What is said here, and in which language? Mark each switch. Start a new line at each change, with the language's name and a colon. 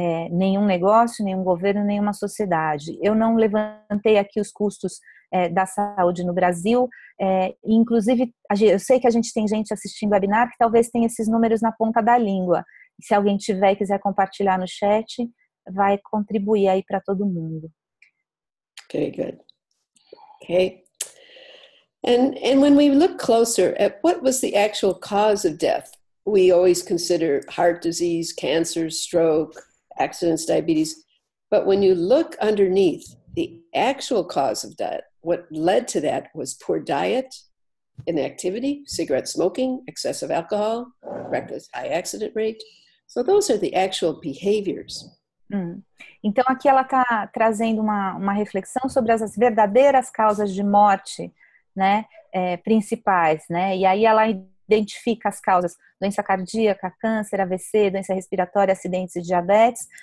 Portuguese: Nenhum negócio, nenhum governo, nenhuma sociedade. Eu não levantei aqui os custos da saúde no Brasil. Inclusive, eu sei que a gente tem gente assistindo o webinar que talvez tenha esses números na ponta da língua. Se alguém tiver e quiser compartilhar no chat, vai contribuir aí para todo mundo.
English: Ok, good. Ok. And when we look closer at what was the actual cause of death, we always consider heart disease, cancer, stroke, accidents, diabetes. But when you look underneath, the actual cause of that, what led to that was poor diet, inactivity, cigarette smoking, excessive alcohol, reckless high accident rate. So those are the actual behaviors.
Portuguese: Então aqui ela está trazendo uma reflexão sobre as verdadeiras causas de morte, né, principais, né? E aí ela identifica as causas: doença cardíaca, câncer, AVC, doença respiratória, acidentes e diabetes.